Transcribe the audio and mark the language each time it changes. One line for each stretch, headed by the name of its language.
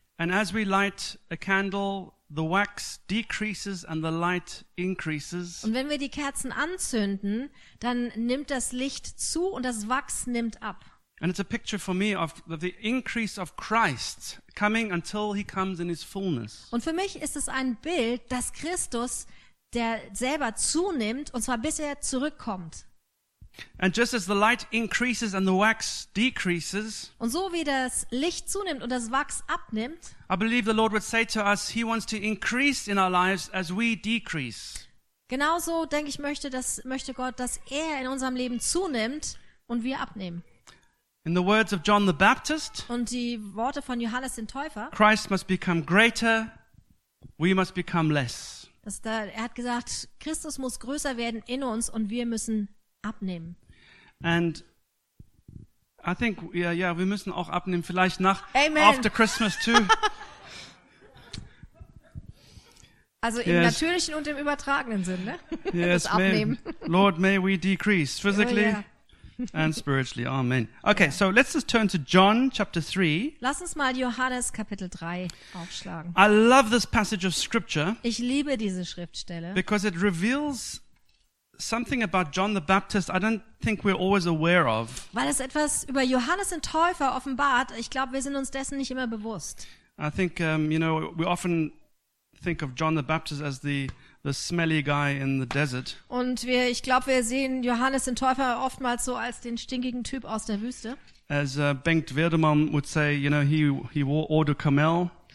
English: And as we light a candle, the wax decreases and the light increases.
German: Und wenn wir die Kerzen anzünden, dann nimmt das Licht zu und das Wachs nimmt ab.
English: And it's a picture for me of the increase of Christ coming until he comes in his fullness.
German: Und für mich ist es ein Bild, dass Christus, der selber zunimmt, und zwar bis er zurückkommt.
English: And just as the light increases and the wax decreases,
German: und so wie das Licht zunimmt und das Wachs abnimmt,
English: I believe the Lord would say to us, he wants to increase in our lives as we decrease.
German: Genauso denke ich möchte Gott, dass er in unserem Leben zunimmt und wir abnehmen.
English: In the words of John the Baptist,
German: und die Worte von Johannes den Täufer,
English: Christ must become greater, we must become less.
German: Er hat gesagt, Christus muss größer werden in uns und wir müssen abnehmen.
English: And I think
German: wir müssen auch abnehmen, vielleicht nach Amen.
English: After Christmas too.
German: Also im
English: yes.
German: natürlichen und im übertragenen Sinn, ne?
English: Yes,
German: abnehmen.
English: Lord, may we decrease physically and spiritually. Amen. Okay, so let's just turn to John chapter 3.
German: Lass uns mal Johannes Kapitel 3 aufschlagen.
English: I love this passage of scripture.
German: Ich liebe diese Schriftstelle.
English: Because it reveals something about John the Baptist I don't think we're always aware of.
German: Weil es etwas über Johannes den Täufer offenbart, ich glaube, wir sind uns dessen nicht immer bewusst.
English: I think we often think of John the Baptist as the smelly guy in the desert.
German: Und ich glaube, wir sehen Johannes den Täufer oftmals so als den stinkigen Typ aus der Wüste.
English: As Bengt Werdemann would say, you know, he wore eau de camel.